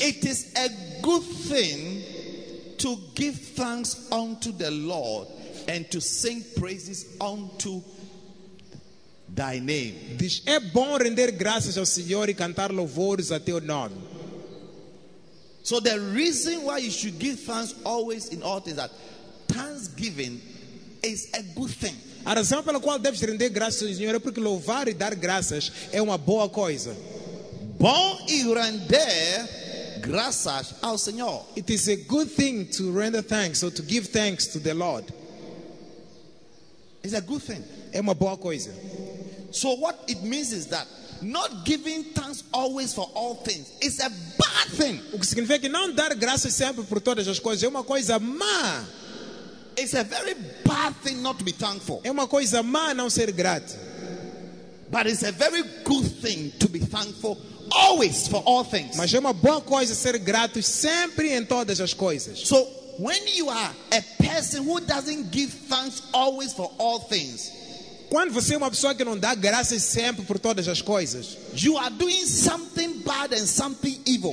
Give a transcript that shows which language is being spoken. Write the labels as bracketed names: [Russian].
[English] It is a good thing to give thanks unto the Lord and to sing praises unto thy name. [Portuguese] Diz, é bom render graças ao Senhor e cantar louvores a teu nome. [English] So the reason why you should give thanks always in all things is that thanksgiving is a good thing. [Portuguese] A razão pela qual deves render graças ao Senhor é porque louvar e dar graças é uma boa coisa. Bom e render graças ao Senhor. [English] It is a good thing to render thanks or to give thanks to the Lord. It's a good thing. [Portuguese] É uma boa coisa. [English] So what it means is that not giving thanks always for all things is a bad thing. [Portuguese] O que significa que não dar graças sempre por todas as coisas é uma coisa má. [English] It's a very bad thing not to be thankful. [Portuguese] É uma coisa má não ser grato. [English] But it's a very good thing to be thankful always for all things. [Portuguese] Mas é uma boa coisa ser grato sempre em todas as coisas. [English] So when you are a person who doesn't give thanks always for all things, [Portuguese] quando você é uma pessoa que não dá graças sempre por todas as coisas, [English] you are doing something bad and something evil.